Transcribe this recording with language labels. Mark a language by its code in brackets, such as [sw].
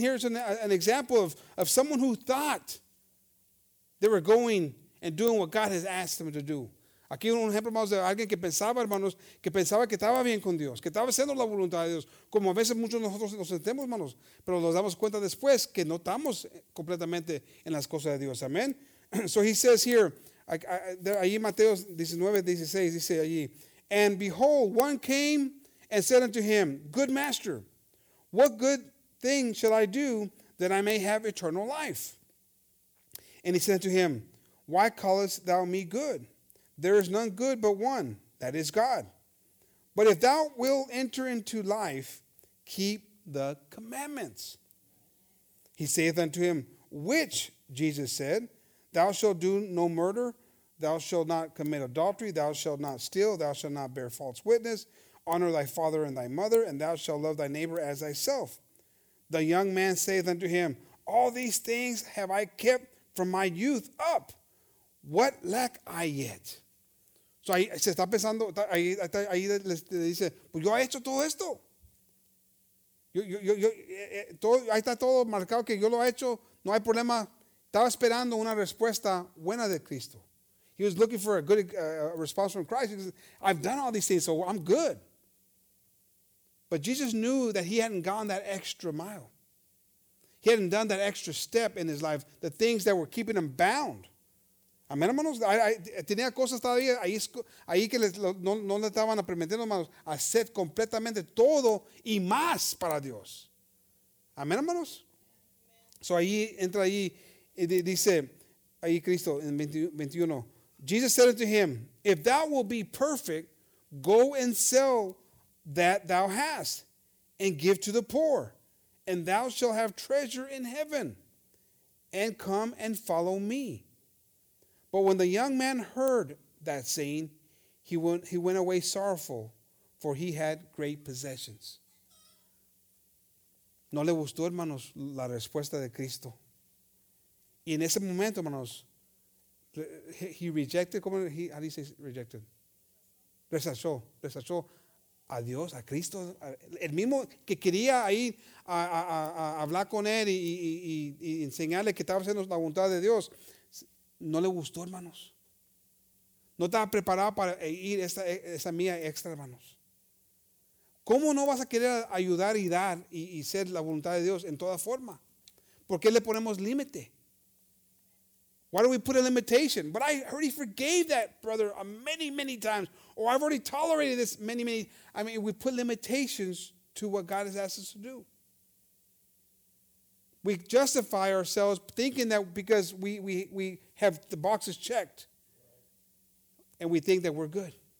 [en] Here's an example of someone who thought they were going and doing what God has asked them to do. [es] Aquí un ejemplo, hermanos, de alguien que pensaba, hermanos, que pensaba que estaba bien con Dios, que estaba haciendo la voluntad de Dios, como a veces muchos de nosotros nos sentemos, hermanos, pero nos damos cuenta después que no estamos completamente en las cosas de Dios. Amén. [en] So he says here, [es] allí Mateo 19:16, dice allí, [en] and behold, one came and said unto him, good master, what good thing shall I do that I may have eternal life? And he said to him, why callest thou me good? There is none good but one, that is God. But if thou wilt enter into life, keep the commandments. He saith unto him, which, Jesus said, thou shalt do no murder, thou shalt not commit adultery, thou shalt not steal, thou shalt not bear false witness, honor thy father and thy mother, and thou shalt love thy neighbor as thyself. The young man saith unto him, all these things have I kept from my youth up. What lack I yet? [es] So ahí se está pensando, ahí le dice, pues yo he hecho todo esto. Yo, todo, ahí está todo marcado que yo lo he hecho, no hay problema. Estaba esperando una respuesta buena de Cristo. [en] He was looking for a good response from Christ. He said, I've done all these things, so I'm good. But Jesus knew that he hadn't gone that extra mile. He hadn't done that extra step in his life, the things that were keeping him bound. [es] Amén, hermanos. Tenía cosas todavía ahí que no le estaban permitiendo, hermanos, hacer completamente todo y más para Dios. Amén, hermanos. So ahí entra ahí y dice ahí Cristo en 21. [en] Jesus said unto him, if thou will be perfect, go and sell that thou hast and give to the poor, and thou shalt have treasure in heaven, and come and follow me. But when the young man heard that saying, he went away sorrowful, for he had great possessions. [es] No le gustó, hermanos, la respuesta de Cristo. Y en ese momento, hermanos, [en] he rejected, [es] ¿cómo he, [en] how do you say rejected? [es] Rechazó a Dios, a Cristo. El mismo que quería ahí a hablar con él y enseñarle que estaba haciendo la voluntad de Dios. No le gustó, hermanos. No estaba preparado para ir esa mía extra, hermanos. ¿Cómo no vas a querer ayudar y dar y ser la voluntad de Dios en toda forma? ¿Por qué le ponemos límite? [en] Why do we put a limitation? But I already forgave that brother many, many times. Or I've already tolerated this many, many. I mean, we put limitations to what God has asked us to do. We justify ourselves thinking that because we have the boxes checked and we think that we're good.